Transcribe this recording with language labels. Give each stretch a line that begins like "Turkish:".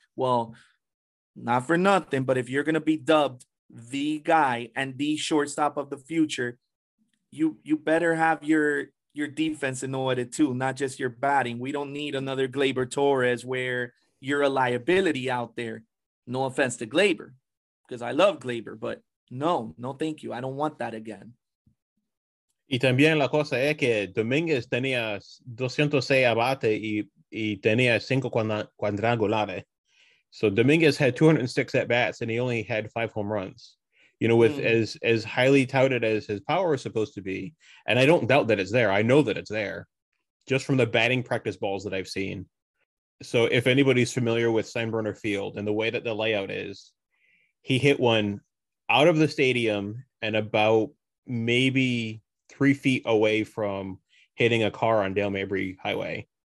English: Well, not for nothing, but if you're going to be dubbed the guy and the shortstop of the future, you better have your defense in order too, not just your batting. We don't need another Gleyber Torres where you're a liability out there. No offense to Gleyber, because I love Gleyber, but no, thank you. I don't want that again.
Spanish: Y también la cosa es que Dominguez tenía 206 abate y tenía 5 cuadrangulares.
English: So Dominguez had 206 at-bats, and he only had 5 home runs. You know, with as highly touted as his power is supposed to be, and I don't doubt that it's there. I know that it's there, just from the batting practice balls that I've seen. So if anybody's familiar with Steinbrenner Field and the way that the layout is, he hit one out of the stadium and about maybe 3 feet away from hitting a car on Dale Mabry Highway.